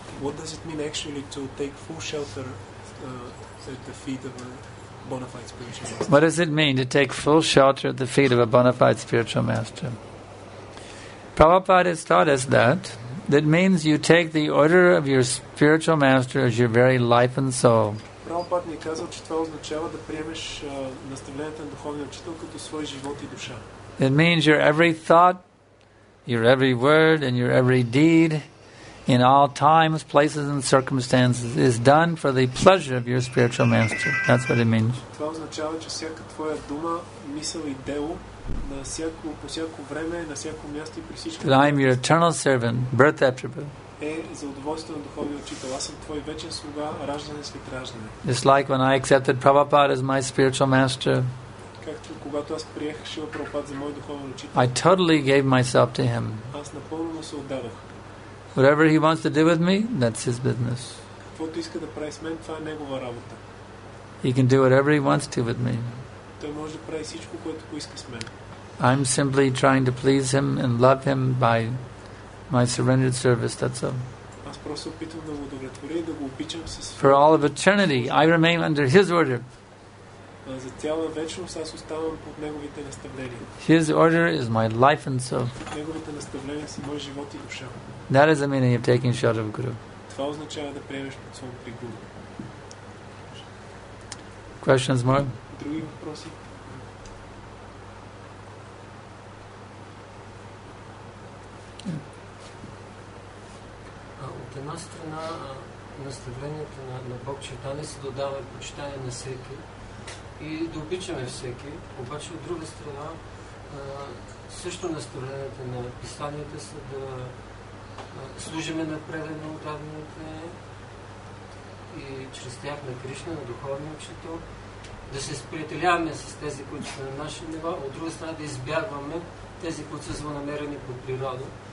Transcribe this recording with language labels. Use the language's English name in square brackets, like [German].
[English] What does it mean actually to take full shelter at the feet of a bona fide spiritual master? What does it mean to take full shelter at the feet of a bona fide spiritual master? Prabhupada has taught us that. That means you take the order of your spiritual master as your very life and soul. [Bulgarian] Prabhupada ни казал, че това означава да приемеш наставлението на духовния учител като свой живот и душа. [English] It means your every thought, your every word, and your every deed in all times, places, and circumstances is done for the pleasure of your spiritual master. That's what it means. [Bulgarian] Това означава, че всяка твоя дума, мисъл и дело на всяко, по всяко време, на всяко място и при всичко. [English] That I am your eternal servant, birth after birth. [Bulgarian] Е за удоволствие на духовния учител. Аз съм твой вечен слуга, раждане след раждане. [English] Just like when I accepted Prabhupada as my spiritual master, [Bulgarian] както когато аз приех Шрила Прабхупада за мой духовен учител, [English] I totally gave myself to him. [Bulgarian] Аз напълно му се отдадох. [English] Whatever he wants to do with me, that's his business. [Bulgarian] Каквото иска да прави с мен, това е негова работа. [English] He can do whatever he wants to with me. [Bulgarian] Той може да прави всичко, което поиска с мен. [English] I'm simply trying to please him and love him by my surrendered service, that's all. [Bulgarian] Аз просто опитвам да го удовлетворя и да го обичам с... [English] For all of eternity, I remain under his order. [Bulgarian] За цяла вечност аз оставам под неговите наставления. [English] His order is my life and soul. [Bulgarian] Неговите наставления са мой живот и душа. [English] That is the meaning of taking shelter of Guru. [Bulgarian] Това означава да приемеш под своя Guru. [English] Questions more? [Bulgarian] други въпроси. От една страна, наставлението на Бог, че Тане се додава и почитание на всеки и да обичаме всеки, обаче от друга страна, също наставлението на писанията са да служиме на предано отдадените и чрез тях на Кришна, на духовния учител, да се сприятеляваме с тези, които са на наше ниво, от друга страна да избягваме тези, които са злонамерени по природа.